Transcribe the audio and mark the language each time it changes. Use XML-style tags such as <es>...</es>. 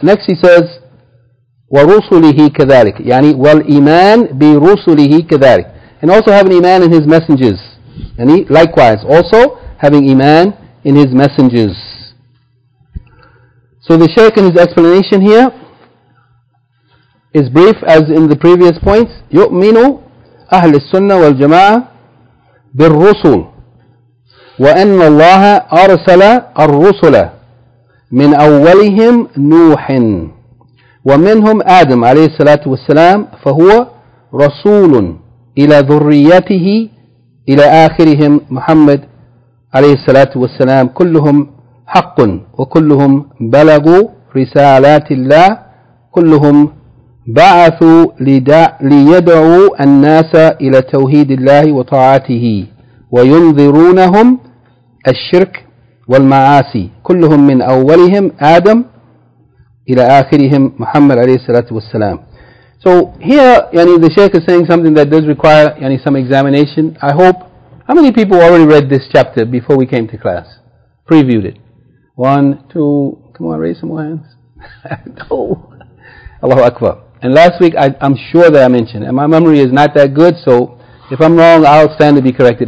<en>Next he says,</en> <ar>وَرُسُلِهِ كَذَلِكَ يعني وَالْإِيمَانِ بِرُسُلِهِ كَذَلِكَ,</ar> <en>and also having iman in his messengers, and likewise also having iman in his messengers. So the shaykh in his explanation here is brief as in the previous points.</en> <ar>يُؤْمِنُ أَهْلِ السُّنَّةِ وَالْجَمَاعَةِ بِالرُّسُلِ وَأَنَّ اللَّهَ أَرْسَلَ الرُّسُلَ مِنْ أَوَّلِهِمْ نُوحٍ ومنهم آدم عليه الصلاة والسلام فهو رسول إلى ذريته إلى آخرهم محمد عليه الصلاة والسلام كلهم حق وكلهم بلغوا رسالات الله كلهم بعثوا ليدعوا الناس إلى توحيد الله وطاعته وينذرونهم الشرك والمعاصي كلهم من أولهم آدم إِلَىٰ آخِرِهِمْ مُحَمَّدْ عَلَيْهِ السَّلَاةُ وَالسَّلَامُ.</ar> <en>So here, yani the Shaykh is saying something that does require yani some examination. I hope, how many people already read this chapter before we came to class? Previewed it. One, two, come on, raise some more hands. No. Allahu Akbar. And last week, I'm sure that I mentioned, and my memory is not that good, so if I'm wrong, I'll stand to be corrected.</en>